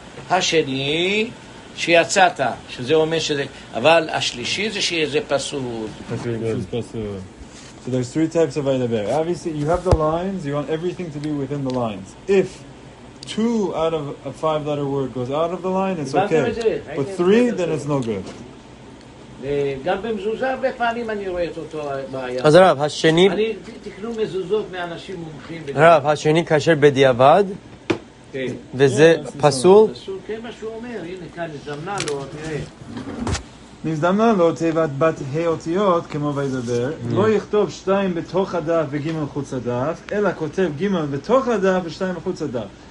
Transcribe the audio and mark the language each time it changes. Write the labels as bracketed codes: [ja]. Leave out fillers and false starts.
[he] השני, שיצאת, שזה אומר שזה, אבל השלישי זה שזה פסול. פסול. [en] So there's three types of Vayedaber. Obviously, you have the lines. You want everything to be within the lines. If two out of a five-letter word goes out of the line, it's okay. But three, then it's no good. [he] גם במזוזה בפנים אני רואה את אותו בעיה. אז רב, השני... תקנו מזוזות מאנשים מומחים. רב, השני כאשר בדיעבד, וזה פסול? פסול, כן, מה שהוא אומר. הנה, כאן הזדמנה לו, תראה. נזדמנה לו תיבת בת האותיות, כמו וידבר, לא יכתוב שתיים בתוך הדף וג' חוץ הדף, אלא כותב ג' בתוך הדף ושתיים בחוץ הדף.